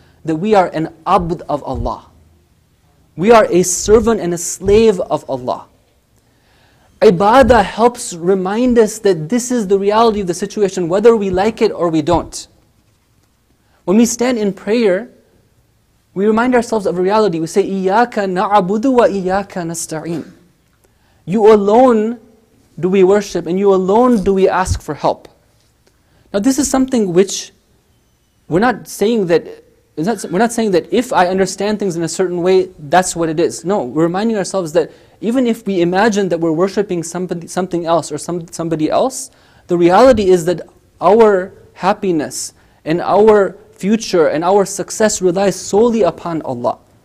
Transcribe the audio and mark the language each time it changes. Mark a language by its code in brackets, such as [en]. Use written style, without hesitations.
[en] That we are an abd of Allah. We are a servant and a slave of Allah. Ibadah helps remind us that this is the reality of the situation, whether we like it or we don't. When we stand in prayer, we remind ourselves of reality. We say, [ar] إِيَّاكَ نَعَبُدُ وَإِيَّاكَ نَسْتَعِينَ. [en] You alone do we worship, and you alone do we ask for help. Now this is something which we're not saying that if I understand things in a certain way, that's what it is. No, we're reminding ourselves that even if we imagine that we're worshipping something else or somebody else, the reality is that our happiness and our future and our success relies solely upon Allah.